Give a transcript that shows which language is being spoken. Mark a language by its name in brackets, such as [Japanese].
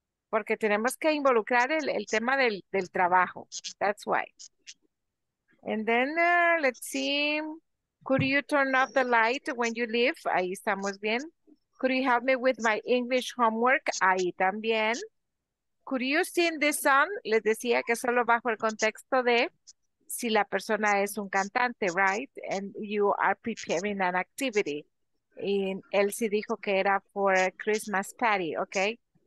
[Spanish] Porque tenemos que involucrar el tema del trabajo. [English] That's why. And then, let's see. Could you turn off the light when you leave? [Spanish] Ahí estamos bien. [English] Could you help me with my English homework? [Spanish] Ahí también. [English] Could you sing this song? [Spanish] Les decía que solo bajo el contexto de si la persona es un cantante, right? [English] And you are preparing an activity. [Spanish] Y él sí dijo que era [English] for a Christmas party, okay?